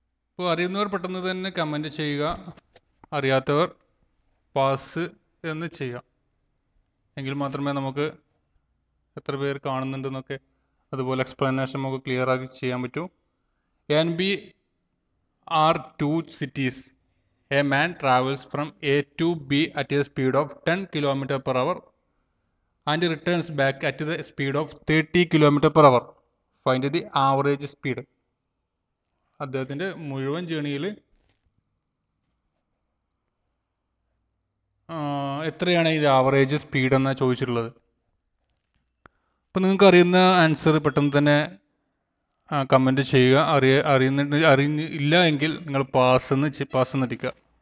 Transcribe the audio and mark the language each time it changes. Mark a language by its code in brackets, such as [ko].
[ml] ഇപ്പോൾ അറിയുന്നവർ പെട്ടെന്ന് തന്നെ കമൻ്റ് ചെയ്യുക, അറിയാത്തവർ പാസ് എന്ന് ചെയ്യുക, എങ്കിൽ മാത്രമേ നമുക്ക് എത്ര പേർ കാണുന്നുണ്ടെന്നൊക്കെ അതുപോലെ എക്സ്പ്ലനേഷൻ നമുക്ക് ക്ലിയർ ആക്കി ചെയ്യാൻ പറ്റൂ. [en] NB are 2 cities. A man travels from A to B at a speed of 10 km per hour and returns back at the speed of 30 km per hour. Find the average speed. [ml] അദ്ദേഹത്തിൻ്റെ മുഴുവൻ ജേണിയിൽ എത്രയാണ് ഇതിൻ്റെ average speed എന്നാ ചോദിച്ചിട്ടുള്ളത്. അപ്പം നിങ്ങൾക്ക് അറിയുന്ന answer പെട്ടെന്ന് തന്നെ കമൻ്റ് ചെയ്യുക, അറിയില്ല എങ്കിൽ നിങ്ങൾ പാസ്സെന്നിരിക്കുക.